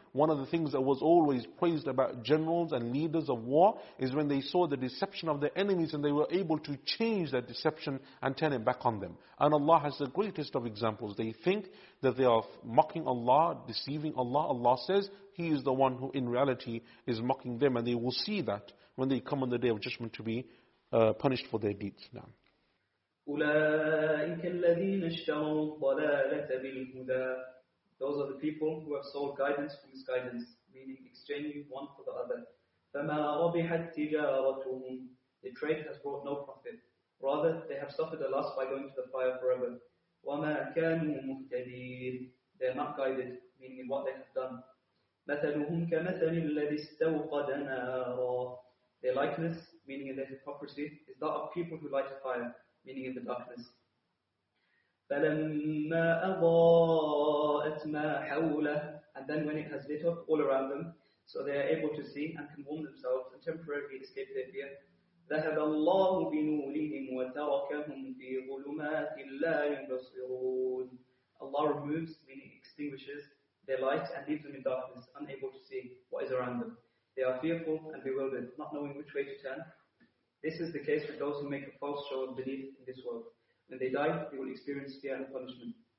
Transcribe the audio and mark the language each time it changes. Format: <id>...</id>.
<en>One of the things that was always praised about generals and leaders of war is when they saw the deception of their enemies and they were able to change that deception and turn it back on them. And Allah has the greatest of examples. They think that they are mocking Allah, deceiving Allah. Allah says He is the one who in reality is mocking them, and they will see that when they come on the day of judgment to be punished for their deeds. Now.</en> <ar>أولئك الذين اشتروا الضلالة بالهدى.</ar> <en>Those are the people who have sold guidance for misguidance, meaning exchanging one for the other.</en> <ar>فما ربحت تجارتهم.</ar> <en>The trade has brought no profit. Rather, they have suffered a loss by going to the fire forever.</en> <ar>وما كانوا مهتدين.</ar> <en>They are not guided, meaning in what they have done.</en> <ar>مثلهم كمثل الذي استوقد نارا.</ar> <en>Their likeness, meaning in their hypocrisy, is that of people who light a fire, meaning in the darkness.</en> <ar>فلما أضاءت ما حوله.</ar> <en>And then when it has lit up all around them, so they are able to see and can warm themselves and temporarily escape their fear.</en> <ar>ذهب الله بنورهم وتركهم في ظلمات لا يبصرون.</ar> <en>Allah removes, meaning extinguishes, their light and leaves them in darkness, unable to see what is around them. They are fearful and bewildered, not knowing which way to turn. This is the case for those who make a false show of belief in this world. When they die, they will experience fear and punishment.</en>